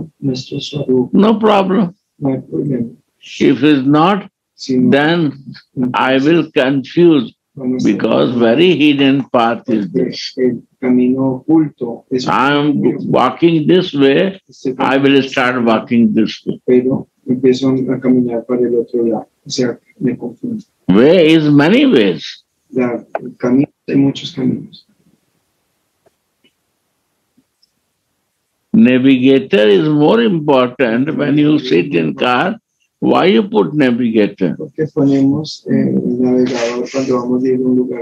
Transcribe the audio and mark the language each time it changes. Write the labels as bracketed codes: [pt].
[en] No problem. If it's not, then I will confuse, because very hidden path is this. I am walking this way, I will start walking this way. [es] Empiezo a caminar para el otro lado. O sea, me confundo. [en] Way is many ways. [es] Ya, camino, hay muchos caminos. [en] Navigator is more important when you sit in car. Why you put navigator? [es] Porque ponemos el navegador cuando vamos a ir a un lugar.